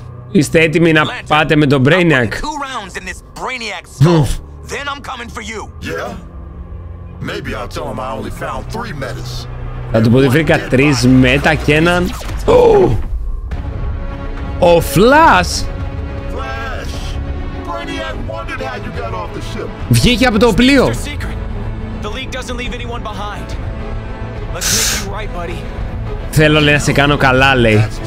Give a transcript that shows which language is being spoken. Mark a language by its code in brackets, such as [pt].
[el] Είστε έτοιμοι να πάτε με τον Brainiac. [en] Then I'm coming for you. Yeah. Maybe I'll tell him I only found 3 metas. [el] Θα του πω ότι βρήκα 3 μέτα και έναν. Ο Flash! Flash! [en] Brainiac wondered how you got off the ship. [el] Βγήκε από το πλοίο. [en] The leak doesn't leave anyone behind. Let's make you right, buddy. [el] Θέλω λέει, να σε κάνω καλά, λέει.